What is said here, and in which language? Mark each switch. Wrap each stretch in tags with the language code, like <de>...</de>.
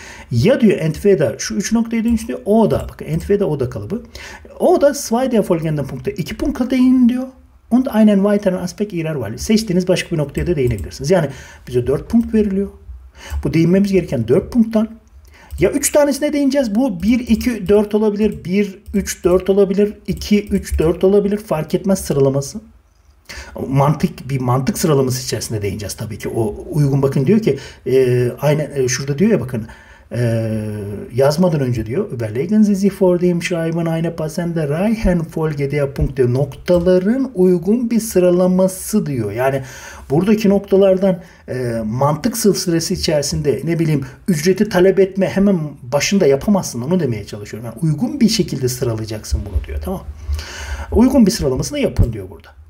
<tr>Ya diyor entweder şu 3 noktaya değinsin diyor. O da. Bakın entweder o da kalıbı. O da</tr> <de>zwei der folgenden punkte.</de> <tr>2 punkta değin diyor.</tr> <de>Und einen weiteren aspekt ihrer Wahl.</de> <tr>Seçtiğiniz başka bir noktaya da değinebilirsiniz. Yani bize 4 punkt veriliyor. Bu değinmemiz gereken 4 punktan. Ya 3 tanesine değineceğiz. Bu 1, 2, 4 olabilir. 1, 3, 4 olabilir. 2, 3, 4 olabilir. Fark etmez sıralaması. Bir mantık sıralaması içerisinde değineceğiz tabii ki. O uygun, bakın diyor ki şurada diyor ya bakın. Yazmadan önce diyor.</tr> <de>Überlegen Sie sich vor dem Schreiben eine passende Reihenfolge der Punkte.</de> <tr>Noktaların uygun bir sıralaması diyor. Yani buradaki noktalardan mantık silsilesi içerisinde ne bileyim ücreti talep etme hemen başında yapamazsın. Onu demeye çalışıyorum. Yani uygun bir şekilde sıralayacaksın bunu diyor. Tamam. Uygun bir sıralamasını yapın diyor burada.</tr>